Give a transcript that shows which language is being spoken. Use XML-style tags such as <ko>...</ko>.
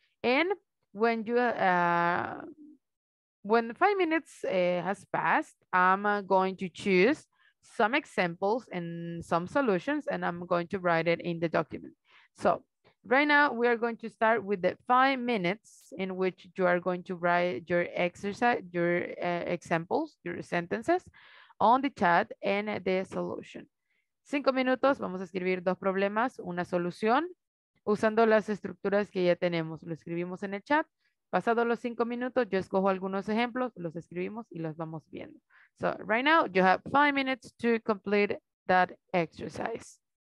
<en>And when you, when 5 minutes has passed, I'm going to choose some examples and some solutions, and I'm going to write it in the document. So right now we are going to start with the 5 minutes in which you are going to write your exercise, your examples, your sentences on the chat and the solution.</en> <es>5 minutos, vamos a escribir 2 problemas, una solución, usando las estructuras que ya tenemos. Lo escribimos en el chat. Pasados los 5 minutos, yo escojo algunos ejemplos, los escribimos y los vamos viendo.</es> <en>So right now you have 5 minutes to complete that exercise.</en>